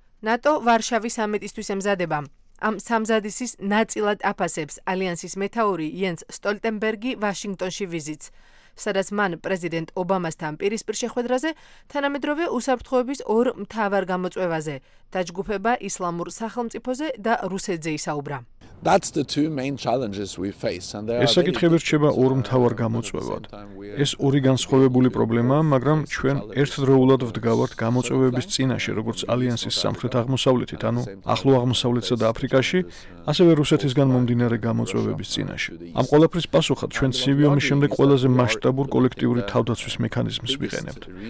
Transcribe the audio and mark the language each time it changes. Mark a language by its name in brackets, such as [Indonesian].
[Georgian] ნატო ვარშავის სამიტისთვის ემზადება. ამ სამზადისის ნაწილად აფასებს ალიანსის მეთაური იენს სტოლტენბერგი ვაშინგტონში ვიზიტს, სადაც მან პრეზიდენტ ობამასთან პირისპირ შეხვედრაზე, თანამედროვე უსაფრთხოების ორ მთავარ გამოწვევაზე, დაჯგუფება ისლამურ სახელმწიფოზე და რუსეთზე ისაუბრა. [English] That's the two main challenges we face and there are [Georgian] ეს საკითხები რჩება ორ მთავარ გამოწვევად. ეს ორი განსხვავებული პრობლემაა, მაგრამ ჩვენ ერთდროულად ვდგავართ გამოწვევების წინაშე, როგორც ალიანსის სამხრეთ აღმოსავლეთით, ანუ ახლო აღმოსავლეთსა და აფრიკაში, ასევე რუსეთისგან მომდინარე გამოწვევების წინაშე. ამ ყველაფრის პასუხად ჩვენ CV ომის შემდეგ ყველაზე მასშტაბურ კოლექტიური თავდაცვის მექანიზმს ვიყენებთ.